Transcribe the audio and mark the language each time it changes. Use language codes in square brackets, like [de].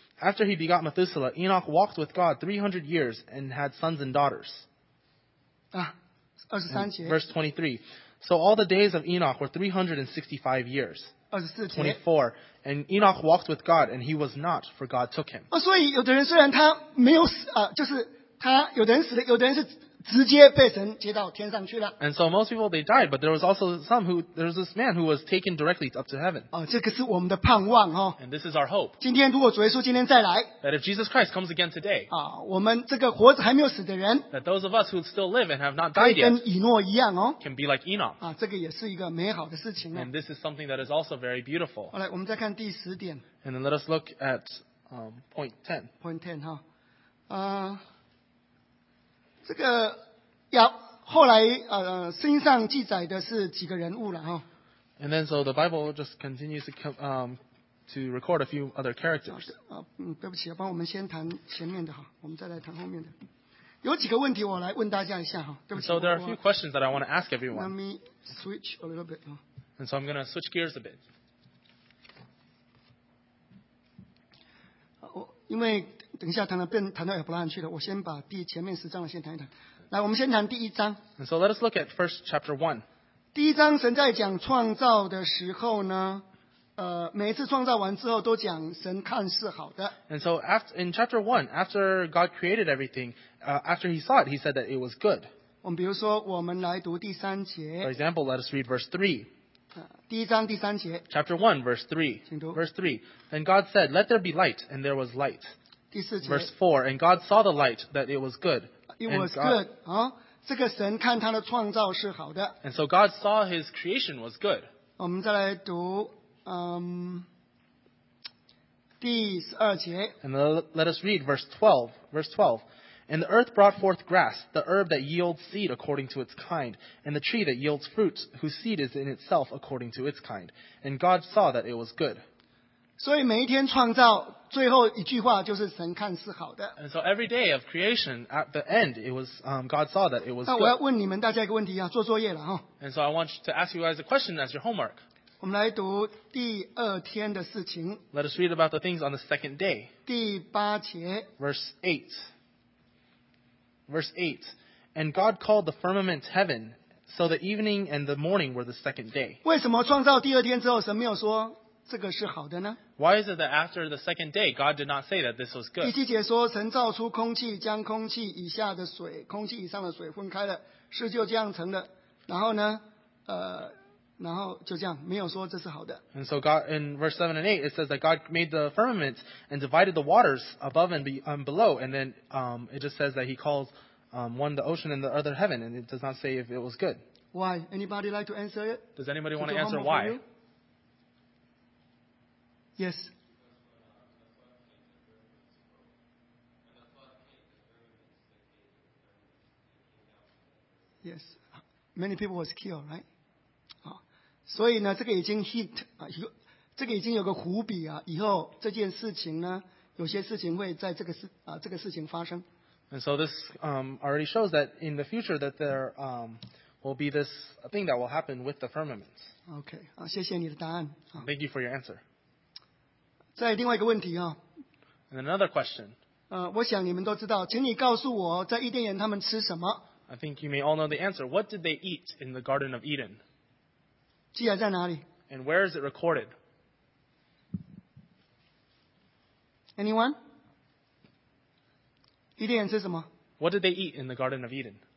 [en] After he begot Methuselah, Enoch walked with God 300 years and had sons and daughters. [zh] 23节. [en] Verse 23. So all the days of Enoch were 365 years. [zh] 24节. [en] 24. And Enoch walked with God, and he was not, for God took him. [zh] 所以有的人虽然他没有死，就是他有的人死了，有的人是直接被神接到天上去了。 [en] And so most people they died, but there was also some who there was this man who was taken directly up to heaven. [zh] 这个是我们的盼望哦。 [en] And this is our hope. [zh] 今天如果主耶稣今天再来。 [en] That if Jesus Christ comes again today. [zh] 我们这个活着还没有死的人。 [en] That those of us who still live and have not died yet. [zh] 跟以诺一样哦。 [en] Can be like Enoch. [zh] 这个也是一个美好的事情。 [en] And this is something that is also very beautiful. [zh] 好，来，我们再看第十点。 [en] And then let us look at point ten. Point ten [zh] 哈，这个亚后来圣经上记载的是几个人物了哈。 [en] And then so the Bible just continues to record a few other characters. [zh] 对不起，帮我们先谈前面的哈，我们再来谈后面的。有几个问题我来问大家一下哈，对不起。 [en] So there are a few questions that I want to ask everyone. Let me switch a little bit. And so I'm going to switch gears a bit. [zh] 因为等一下谈到亚伯拉罕去了，我先把第前面十章的先谈一谈。来，我们先谈第一章。 [en] And so let us look at first chapter one. [zh] 第一章神在讲创造的时候呢，每一次创造完之后都讲神看是好的。 [en] And so after in chapter one, after God created everything, after he saw it, he said that it was good. [zh] 我们比如说，我们来读第三节。 [en] For example, let us read verse three. [zh] 第一章第三节。 [en] Chapter 1, verse 3. [zh] 请读。 [en] Verse 3. And God said, Let there be light, and there was light. 第四节。 Verse 4. And God saw the light, that it was good. It was good. [zh] 这个神看他的创造是好的。 [en] And so God saw his creation was good. [zh] 我们再来读第十二节。 [en] And let us read verse 12. Verse 12. And the earth brought forth grass, the herb that yields seed according to its kind, and the tree that yields fruit, whose seed is in itself according to its kind. And God saw that it was good. [zh] 所以每一天创造最后一句话就是神看是好的。 [en] And so every day of creation, at the end, it was, God saw that it was good. [zh] 那我要问你们大家一个问题啊，做作业了哈。 [en] And so I want to ask you guys a question as your homework. [zh] 我们来读第二天的事情。 [en] Let us read about the things on the second day. [zh] 第八节。 [en] Verse 8. Verse 8, and God called the firmament heaven, so the evening and the morning were the second day. [zh] 为什么创造第二天之后神没有说这个是好的呢？ [en] Why is it that after the second day, God did not say that this was good? [zh] 第七节说神造出空气，将空气以下的水、空气以上的水分开了，事就这样成了。然后呢，然后就这样，没有说这是好的。 [en] And so God, in verse 7 and 8, it says that God made the firmament and divided the waters above and below. And then it just says that he calls one the ocean and the other heaven. And it does not say if it was good. Why? Anybody like to answer it? Does anybody want to answer why? Yes. Yes. Many people was killed, right? [zh] 所以呢，这个已经 hint 这个已经有个伏笔啊。以后这件事情呢，有些事情会在这个事情发生。 [en] And so this already shows that in the future that there will be this thing that will happen with the firmament. [zh] Okay, 谢谢你的答案。 [en] Thank you for your answer. [zh] 再另外一个问题啊。 [en] And another question. [zh] 我想你们都知道，请你告诉我在伊甸园他们吃什么。 [en] I think you may all know the answer. What did they eat in the Garden of Eden? [zh] 记载在哪里？ [en] And where is it recorded? Anyone? [zh] 伊甸园吃什么？ [en] What did they eat in the Garden of Eden?